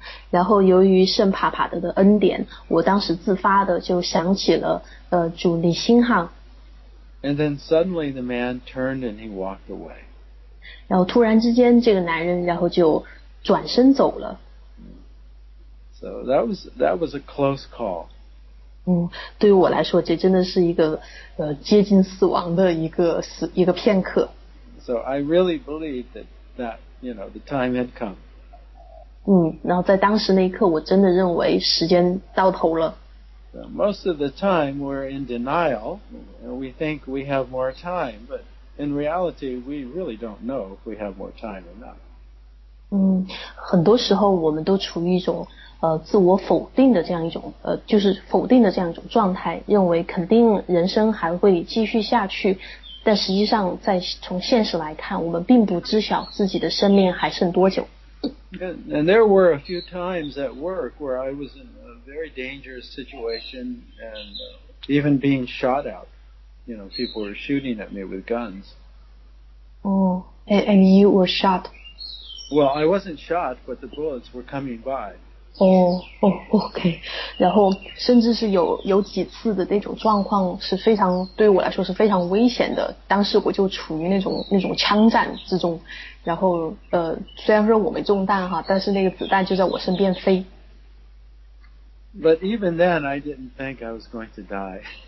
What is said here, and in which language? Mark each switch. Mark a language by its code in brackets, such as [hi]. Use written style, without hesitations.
[zh] 然后由于圣帕帕德的恩典，我当时自发的就想起了主尼辛汉。 [en] And then suddenly the man turned and he walked away. [zh] 然后突然之间这个男人然后就转身走了。 [en] So that was a close call. [zh] 对于我来说这真的是一个接近死亡的一个片刻。 [en] So I really believed that you know, the time had come. [zh] 然后在当时那一刻我真的认为时间到头了。 [en] So most of the time we're in denial, and we think we have more time, but in reality we really don't know if we have more time or not. [zh] 很多时候我们都处于一种自我否定的这样一种就是否定的这样一种状态，认为肯定人生还会继续下去，但实际上在从现实来看，我们并不知晓自己的生命还剩多久。 [en] And there were a few times at work where I was in a very dangerous situation and even being shot at. You know, people were shooting at me with guns. And you were shot? Well, I wasn't shot, but the bullets were coming by. Okay. [zh] 然后甚至是有几次的那种状况是非常对我来说是非常危险的，当时我就处于那种枪战之中，然后虽然说我没中弹哈，但是那个子弹就在我身边飞。 [en] But even then I didn't think I was going to die.